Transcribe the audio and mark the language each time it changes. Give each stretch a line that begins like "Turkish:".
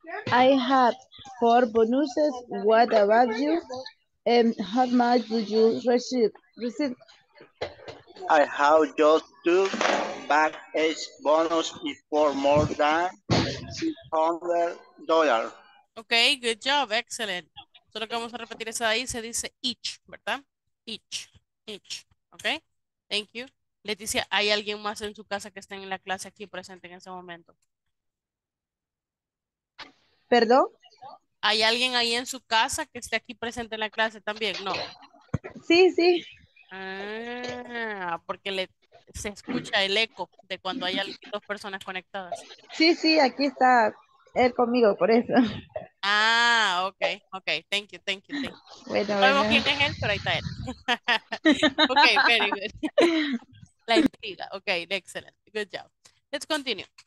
English: I have 4 bonuses. What about you? And how much do you receive? I have just 2 back age bonus for more than $600. Okay, good job, excellent.
Spanish: Solo que vamos a repetir esa ahí, se dice each, ¿verdad? Each, each, okay?
English: Thank you.
Spanish: Leticia, ¿hay alguien más en su casa que esté en la clase aquí presente en ese momento? ¿Perdón? ¿Hay alguien ahí en su casa que esté aquí presente en la clase también? No. Sí, sí. Ah, porque se escucha el eco de cuando hay dos personas conectadas. Sí, sí, aquí está él conmigo, por eso.
English: Ah, ok, ok, thank you, thank you, thank you.
Spanish: Bueno, no sabemos quién es él, pero ahí está él.
English: Ok, very good.
Spanish: La intriga,
English: ok, excellent, good job. Let's continue.